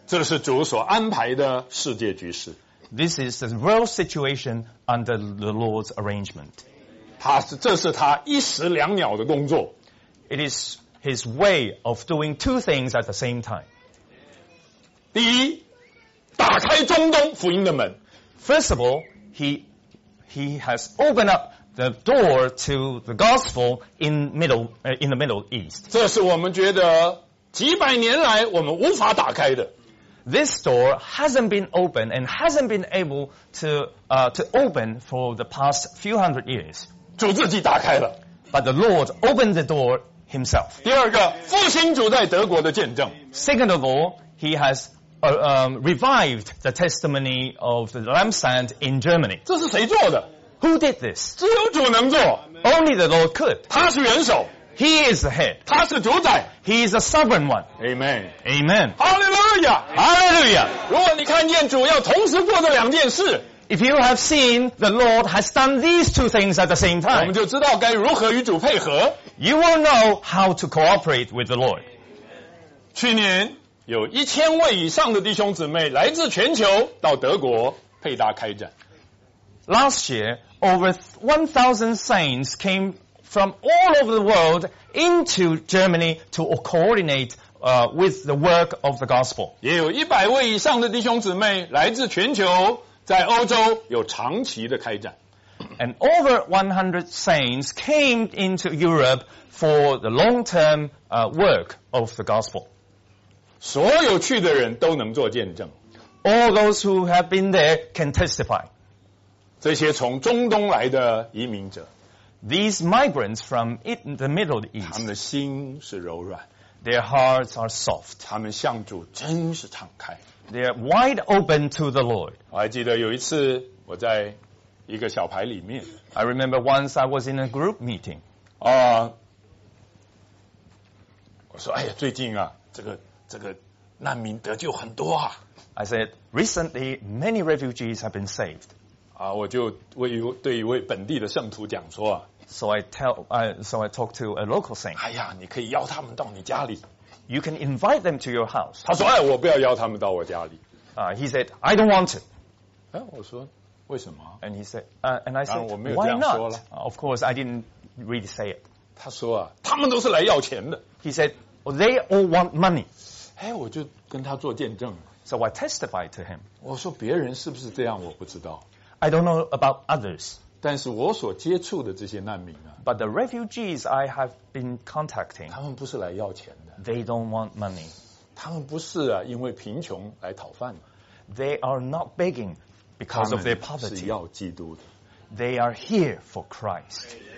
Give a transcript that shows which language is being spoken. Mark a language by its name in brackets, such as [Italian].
[Chinese] 这是主所安排的世界局势。 [English] This is the real situation under the Lord's arrangement. [Chinese] 这是他一石两鸟的工作。 [English] It is his way of doing two things at the same time. [Chinese] 第一，打开中东福音的门。 [English] First of all, he has opened up the door to the gospel in the Middle East. [Chinese] 这是我们觉得几百年来我们无法打开的。 [English] This door hasn't been opened and hasn't been able to open for the past few hundred years. [Chinese] 主自己打开了。 [English] But the Lord opened the door himself. [Chinese] 第二个，复兴主在德国的见证。 [English] Second of all, he has revived the testimony of the lampstand in Germany. [Chinese] 这是谁做的？ [English] Who did this? [Chinese] 只有主能做。 [English] Only the Lord could. [Chinese] 他是元首。 [English] He is the head. [Chinese] 他是主宰。 [English] He is the sovereign one. Amen. Amen. Hallelujah. Hallelujah. [Chinese] 如果你看见主要同时做的两件事， [English] If you have seen the Lord has done these two things at the same time, [Chinese] 我们就知道该如何与主配合。 [English] You will know how to cooperate with the Lord. [Chinese] 去年有一千位以上的弟兄姊妹来自全球到德国配搭开展。 [English] Last year, over 1,000 saints came from all over the world into Germany to coordinate with the work of the gospel. [Chinese] 也有100位以上的弟兄姊妹来自全球在欧洲有长期的开展。 [English] And over 100 saints came into Europe for the long-term work of the gospel. [Chinese] 所有去的人都能做见证。 [English] All those who have been there can testify. [Chinese] 这些从中东来的移民者。 [English] These migrants from the Middle East, [Chinese] 他们的心是柔软。 [English] Their hearts are soft. [Chinese] 他们向主真是敞开。 [English] They are wide open to the Lord. [Chinese] 我还记得有一次我在一个小排里面。 [English] I remember once I was in a group meeting. [Chinese] 我说哎呀最近啊这个难民得救很多啊。 [English] I said, recently many refugees have been saved. [Chinese] 我就对一位本地的圣徒讲说 [English] So I talk to a local saint. [Chinese] 哎呀你可以邀他们到你家里。 [English] You can invite them to your house. [Chinese] 他说哎我不要邀他们到我家里。 [English] He said, I don't want to. [Chinese] 我说为什么 [English] ?And he said, and I said, why not? Of course, I didn't really say it. [Chinese] 他说啊他们都是来要钱的。 [English] He said, well, they all want money. [Chinese] 我就跟他做见证。 [English] So I testified to him. [Chinese] 我说别人是不是这样我不知道。 [English] I don't know about others. [Chinese] 但是我所接触的这些难民啊。 [English] But the refugees I have been contacting. [Chinese] 他们不是来要钱的。 [English] They don't want money. [Chinese] 他们不是啊因为贫穷来讨饭。 [English] They are not begging because of their poverty. [Chinese] 他们是要基督的。 [English] They are here for Christ.